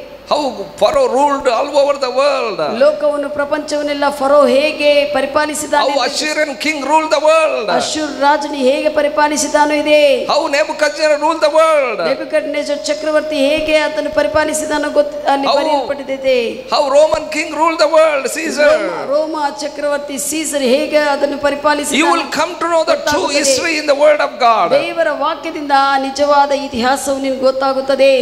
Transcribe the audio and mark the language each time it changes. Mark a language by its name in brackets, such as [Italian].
[English] How Pharaoh ruled all over the world. [Kannada] ಲೋಕವನ್ನು ಪ್ರಪಂಚವನ್ನೆಲ್ಲ furrow ಹೇಗೆ ಪರಿಪಾಲಿಸಿದಾನೆ. [English] How Assyrian king ruled the world. [Kannada] ಅಶ್ಶೂರ್ ರಾಜನು ಹೇಗೆ ಪರಿಪಾಲಿಸಿದಾನೋ ಇದೆ. [English] How Nebuchadnezzar ruled the world. [Kannada] ನೆಬೂಕದ್ನೆಜ್ಜರ್ ಚಕ್ರವರ್ತಿ ಹೇಗೆ ಅತನ್ನು ಪರಿಪಾಲಿಸಿದಾನೋ ಗೊತ್ತು ಅಲ್ಲಿ ಬರೆಯಲ್ಪಟ್ಟಿದೆ. [English] How Roman king ruled the world, Caesar. [Kannada] ರೋಮ ಚಕ್ರವರ್ತಿ ಸೀಸರ್ ಹೇಗೆ ಅದನ್ನು ಪರಿಪಾಲಿಸಿದಾನೆ. [English] You will come to know the true history in the word of God. [Kannada] ದೇವರ ವಾಕ್ಯದಿಂದ ನಿಜವಾದ ಇತಿಹಾಸವು ನಿನಗೆ ಗೊತ್ತಾಗುತ್ತದೆ.